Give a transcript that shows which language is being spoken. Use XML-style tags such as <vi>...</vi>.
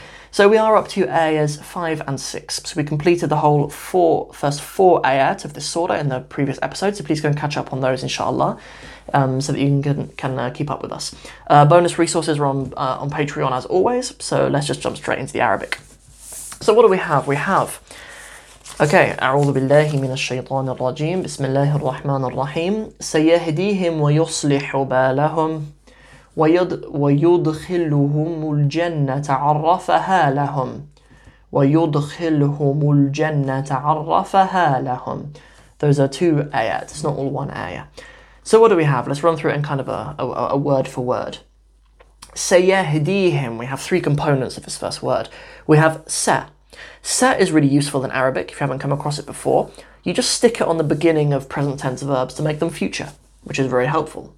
<en>So we are up to ayahs 5 and 6, so we completed the whole first four ayat of this Surah in the previous episode, so please go and catch up on those inshallah, so that you can keep up with us. Bonus resources are on Patreon as always, so let's just jump straight into the Arabic. So what do we have?</en> <ar>Okay, أعوذ بالله من الشيطان الرجيم بسم الله الرحمن الرحيم سيهديهم ويصلح بالهم ويدخلهم الجنة عرفها لهم ويدخلهم الجنة عرفها لهم.</ar> <en>Those are two ayat, it's not all one ayah. So what do we have? Let's run through it in kind of a word for word. سيهديهم, we have three components of this first word. We have سه. Sa is really useful in Arabic. If you haven't come across it before, you just stick it on the beginning of present tense verbs to make them future, which is very helpful.</en>